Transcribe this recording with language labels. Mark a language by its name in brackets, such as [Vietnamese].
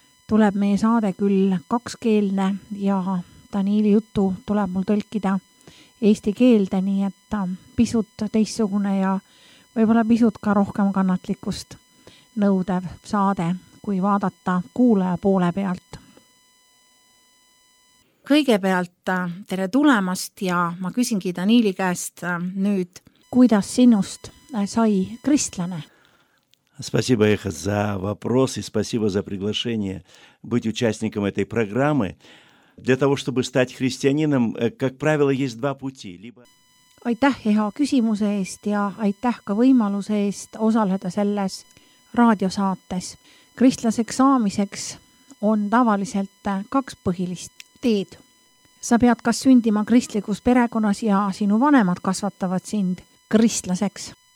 [Estonian] tuleb meie saade küll kakskeelne ja Daniili juttu tuleb mul tõlkida eesti keelde, nii et ta pisut teissugune ja võib-olla pisut ka rohkem kannatlikust nõudev saade, kui vaadata kuulaja poole pealt. Kõigepealt tere tulemast ja ma küsingi Daniili käest nüüd, kuidas sinust sai kristlane? [Russian] Спасибо, Эха, за вопрос и спасибо за приглашение быть участником этой программы. Для того, чтобы стать христианином, как правило, есть два пути. [Estonian] Aitäh, Eha, küsimuse eest ja aitäh ka võimaluse eest osaleda selles raadiosaates. Kristlaseks saamiseks on tavaliselt kaks põhilist teed. Sa pead kas sündima kristlikus perekonnas ja sinu vanemad kasvatavad sind kristlaseks.